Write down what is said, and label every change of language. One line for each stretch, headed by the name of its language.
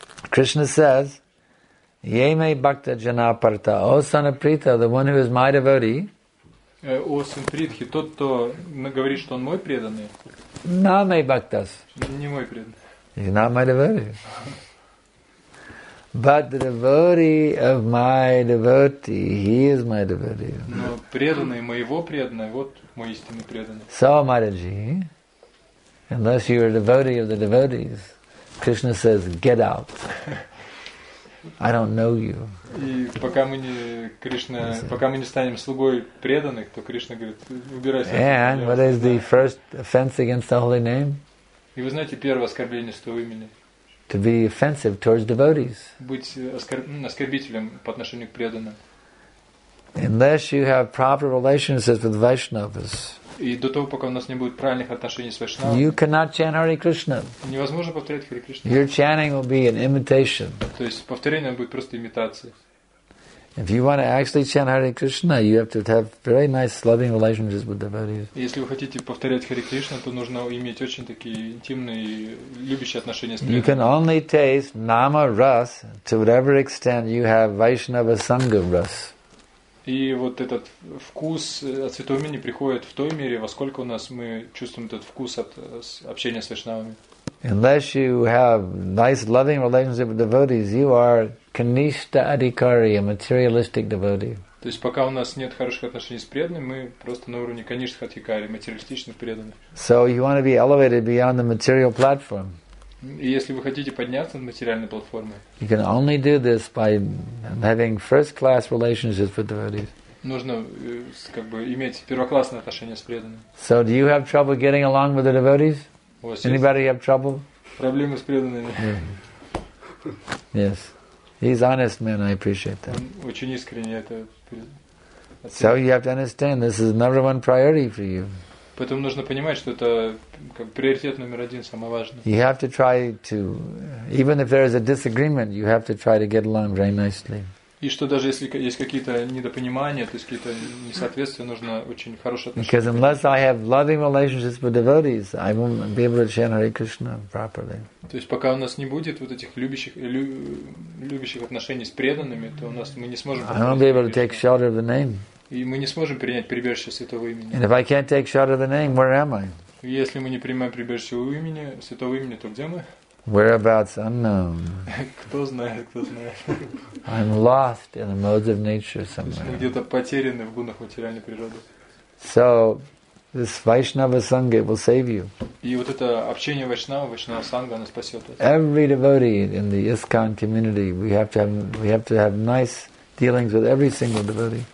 English: Krishna says,
Sanskrit: Ye me bhakta jana parta,
English: O son of Pritha, the one who is my devotee, O son Pritha,
Russian: тот, кто говорит, что он мой преданный,
Sanskrit: Na me bhaktas.
Russian: Не мой преданный.
English: He's not my devotee. But the devotee of my devotee, he is my devotee.
Russian: Но преданный моего преданного, вот мой истинный преданный.
English: So, Mataji, unless you are a devotee of the devotees, Krishna says, get out. I don't know you.
Russian: И пока мы не Кришна, пока мы не станем слугой преданных, то Кришна говорит, убирайся.
English: And what is the first offense against the holy name?
Russian: И вы знаете первое оскорбление с того имени?
English: To be offensive towards devotees.
Russian: Быть оскорбителем по отношению к преданным.
English: Unless you have proper relationships with Vaishnavas.
Russian: И до того, пока у нас не будет правильных отношений с Вайшнавами.
English: You cannot chant Hare Krishna.
Russian: Невозможно повторять Hare Krishna.
English: Your chanting will be an imitation.
Russian: То есть повторение будет просто имитацией.
English: If you want to actually chant Hare Krishna, you have to have very nice loving relationships with devotees.
Russian: Если вы хотите повторять Hare Krishna, то нужно иметь очень такие интимные любящие отношения с преданными.
English: You can only taste nama ras to whatever extent you have Vaishnava sangha ras.
Russian: И вот этот вкус от святого имени приходит в той мере, во сколько у нас мы чувствуем этот вкус от общения с вайшнавами.
English: Unless you have nice loving relationship with devotees, you are kanishta adhikari, a materialistic devotee.
Russian: То есть пока у нас нет хороших отношений с преданными, мы просто на уровне kanishta adhikari, материалистичных преданных.
English: So you want to be elevated beyond the material platform.
Russian: И если вы хотите подняться над материальной платформой,
English: you can only do this by having first-class relationships with devotees.
Russian: Нужно как бы иметь первоклассные отношения с преданными.
English: So do you have trouble getting along with the devotees? Anybody have trouble?
Russian: Проблемы с преданными.
English: Mm-hmm. Yes. He's honest man, I appreciate that.
Russian: Очень искренне это.
English: So you have to understand this is number one priority for you.
Russian: Поэтому нужно понимать, что это как приоритет номер один, самое важное.
English: You have to try to, even if there is a disagreement, you have to try to get along very nicely.
Russian: И что даже если есть какие-то недопонимания, то есть какие-то несоответствия, нужно очень хорошие отношения.
English: Because unless I have loving relationships with devotees, I won't be able to chant Hare Krishna properly.
Russian: То есть пока у нас не будет вот этих любящих отношений с преданными, то у нас мы не сможем.
English: I won't be able to take shelter of the name.
Russian: И мы не сможем принять прибежище святого имени.
English: And if I can't take shelter of the name, where am I?
Russian: Если мы не принимаем прибежище у имени святого имени, то где мы?
English: Whereabouts unknown.
Russian: Кто знает, кто знает.
English: I'm lost in the modes of nature somewhere.
Russian: Где-то потерянный в гунах материальной природы.
English: So this Vaishnava Sangha will save you.
Russian: И вот это общение Вайшнава Санга, оно спасет вас.
English: Every devotee in the ISKCON community, we have to have nice dealings with every single devotee.